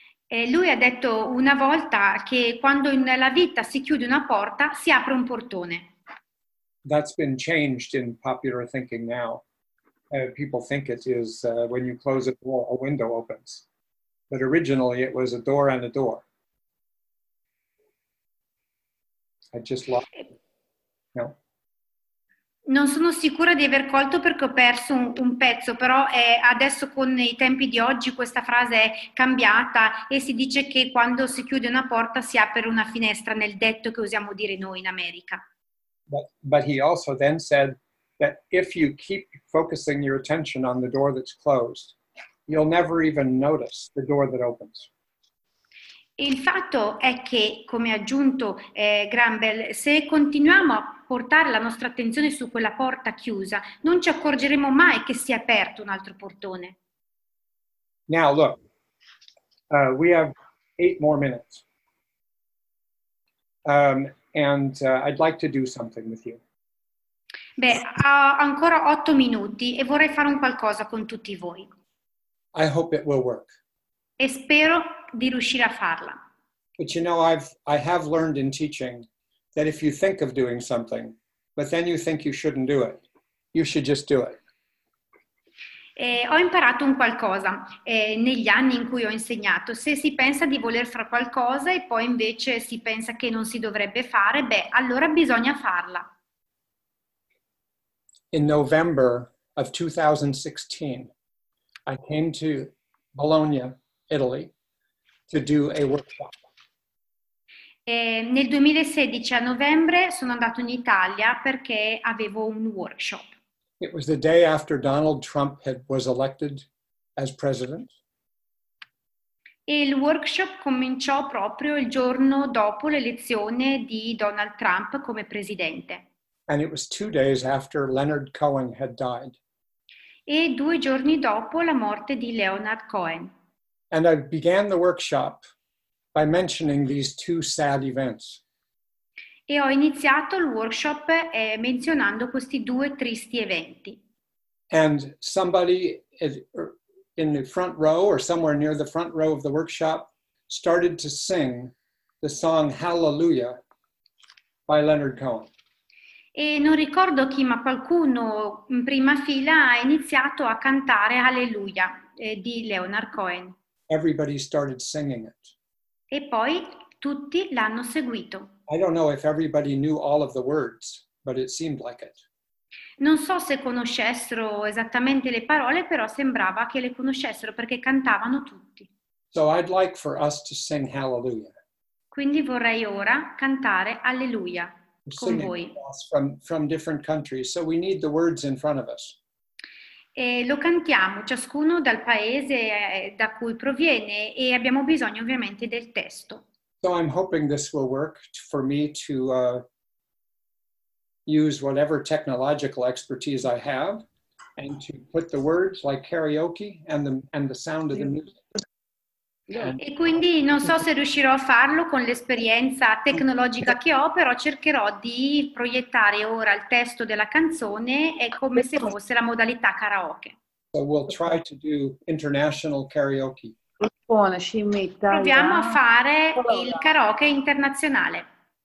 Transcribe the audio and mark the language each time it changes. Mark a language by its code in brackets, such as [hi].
[it] E lui ha detto una volta che quando nella vita si chiude una porta, si apre un portone. [en] That's been changed in popular thinking now. People think it is when you close a door, a window opens. But originally it was a door and a door. I just lost. No. [it] Non sono sicura di aver colto perché ho perso un pezzo, però adesso con i tempi di oggi questa frase è cambiata e si dice che quando si chiude una porta si apre una finestra, nel detto che usiamo dire noi in America. [en] But he also then said that if you keep focusing your attention on the door that's closed, you'll never even notice the door that opens. [it] Il fatto è che, come ha aggiunto Graham Bell, se continuiamo a portare la nostra attenzione su quella porta chiusa, non ci accorgeremo mai che si è aperto un altro portone. [en] Now look, we have 8 more minutes. I'd like to do something with you. [it] Beh, ho ancora 8 minuti e vorrei fare un qualcosa con tutti voi. [en] I hope it will work. [it] E spero di riuscire a farla. [en] But you know, I have learned in teaching that if you think of doing something, but then you think you shouldn't do it, you should just do it. [it] Ho imparato un qualcosa negli anni in cui ho insegnato. Se si pensa di voler fare qualcosa e poi invece si pensa che non si dovrebbe fare, beh, allora bisogna farla. [en] In November of 2016, I came to Bologna, Italy, to do a workshop. [it] Nel 2016 a novembre sono andato in Italia perché avevo un workshop. [en] It was the day after Donald Trump was elected as president. [it] E il workshop cominciò proprio il giorno dopo l'elezione di Donald Trump come presidente. [en] And it was 2 days after Leonard Cohen had died. [it] E 2 giorni dopo la morte di Leonard Cohen. [en] And I began the workshop by mentioning these 2 sad events. [it] E ho iniziato il workshop menzionando questi 2 tristi eventi. [en] And somebody in the front row or somewhere near the front row of the workshop started to sing the song Hallelujah by Leonard Cohen. [it] E non ricordo chi, ma qualcuno in prima fila ha iniziato a cantare Alleluia di Leonard Cohen. [en] Everybody started singing it. [it] E poi tutti l'hanno seguito. [en] I don't know if everybody knew all of the words, but it seemed like it. [it] Non so se conoscessero esattamente le parole, però sembrava che le conoscessero perché cantavano tutti. [en] So I'd like for us to sing Hallelujah. [it] Quindi vorrei ora cantare Alleluia. [en] From different countries, so we need the words in front of us. [it] E lo cantiamo ciascuno dal paese da cui proviene e abbiamo bisogno ovviamente del testo. [en] So I'm hoping this will work for me to use whatever technological expertise I have and to put the words like karaoke and the sound of the music. [it] E quindi non so se riuscirò a farlo con l'esperienza tecnologica che ho, però cercherò di proiettare ora il testo della canzone e come se fosse la modalità karaoke. [en] So we'll try to do international karaoke. [it] Proviamo a fare il karaoke internazionale.